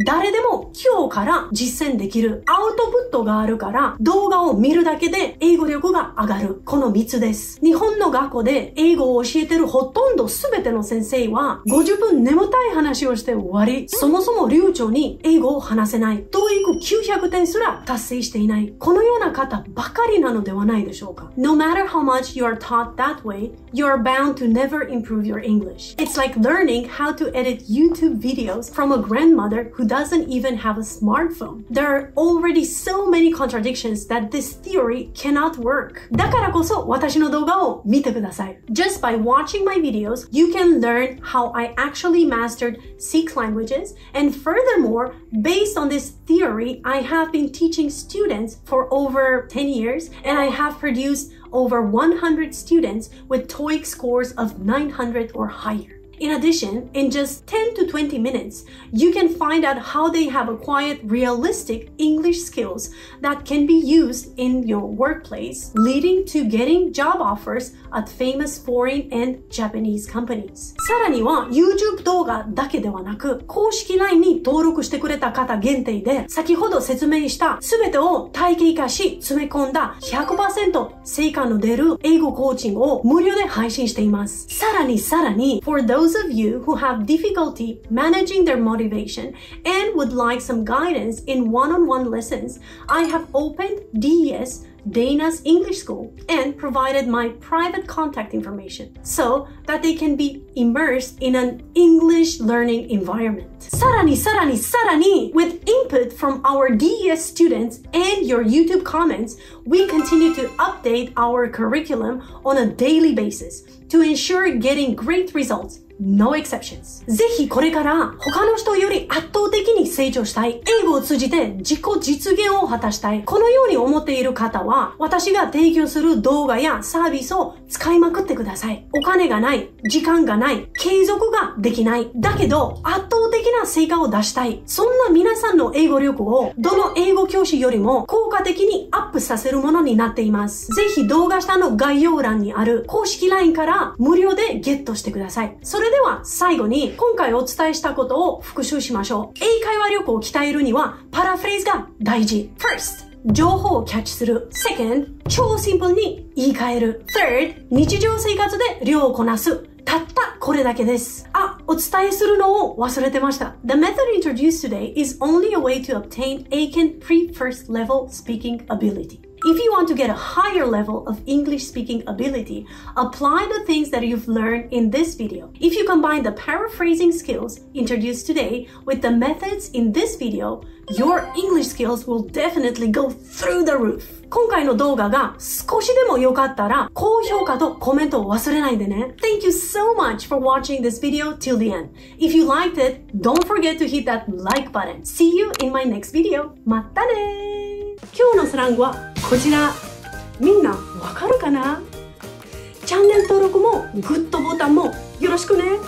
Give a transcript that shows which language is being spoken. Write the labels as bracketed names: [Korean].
[Japanese] 誰でも今日から実践できる。アウトプットがあるから動画を見るだけで英語力が上がる。この3つです。日本の学校で英語を教えてるほとんど全ての先生は50分眠たい話をして終わり、そもそも流暢に英語を話せない。 TOEIC 900点すら達成していない。このような方ばかりなのではないでしょうか。 [English] No matter how much you are taught that way, you are bound to never improve your English. It's like learning how to edit YouTube videos from a grandmother who doesn't even have a smartphone. There are already so many contradictions that this theory cannot work. [Japanese] だからこそ私の動画を見てください。 [English] Just by watching my videos, you can learn how I actually mastered six languages, and furthermore, based on this theory, I have been teaching students for over 10 years, and I have produced over 100 students with TOEIC scores of 900 or higher. In addition, in just 10 to 20 minutes, you can find out how they have acquired realistic English skills that can be used in your workplace, leading to getting job offers at famous foreign and Japanese companies. [Japanese] さらには YouTube 動画だけではなく、公式 LINE に登録してくれた方限定で、先ほど説明した全てを体系化し詰め込んだ 100% 成果の出る英語コーチングを無料で配信しています。さらにさらに、 [English] For those of you who have difficulty managing their motivation and would like some guidance in one-on-one lessons, I have opened DES Dana's English School and provided my private contact information so that they can be immersed in an English learning environment. [Japanese] さらにさらにさらに、 [English] With input from our DES students and your YouTube comments, we continue to update our curriculum on a daily basis to ensure getting great results. No exceptions. [Japanese] ぜひこれから他の人より圧倒的に成長したい、英語を通じて自己実現を果たしたい、このように思っている方は、私が提供する動画やサービスを使いまくってください。お金がない、時間がない、継続ができない、だけど圧倒的な成果を出したい、そんな皆さんの英語力をどの英語教師よりも効果的にアップさせるものになっています。ぜひ動画下の概要欄にある公式 LINE から無料でゲットしてください。それでは最後に、今回お伝えしたことを復習しましょう。英会話力を鍛えるにはパラフレーズが大事。 First、 情報をキャッチする。Second、 超シンプルに言い換える。 Third、 日常生活で量をこなす。たったこれだけです。あ、お伝えするのを忘れてました。 [English] The method introduced today is only a way to obtain Aiken pre-first level speaking abilityIf you want to get a higher level of English speaking ability, apply the things that you've learned in this video. If you combine the paraphrasing skills introduced today with the methods in this video, your English skills will definitely go through the roof. [Japanese] 今回の動画が少しでも良かったら高評価とコメントを忘れないでね。 [English] Thank you so much for watching this video till the end. If you liked it, don't forget to hit that like button. See you in my next video. [Japanese] またね。今日のスラングはこちら。みんなわかるかな？チャンネル登録もグッドボタンもよろしくね。